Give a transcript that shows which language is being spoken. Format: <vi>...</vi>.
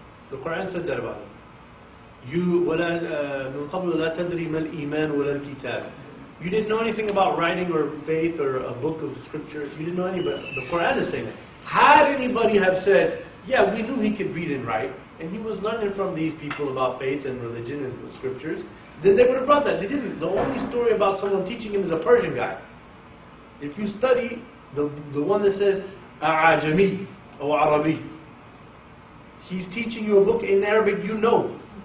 <en>The Quran said that about it. You</en> <ar>ولا من قبل لا تدري ما الإيمان ولا الكتاب.</ar> <en>You didn't know anything about writing or faith or a book of scripture. You didn't know anybody. The Quran is saying that. Had anybody have said, yeah, we knew he could read and write, and he was learning from these people about faith and religion and scriptures, then they would have brought that. They didn't. The only story about someone teaching him is a Persian guy. If you study the one that says</en> <ar>أعجمي أو عربي,</ar> <en>he's teaching you a book in Arabic, you know.</en>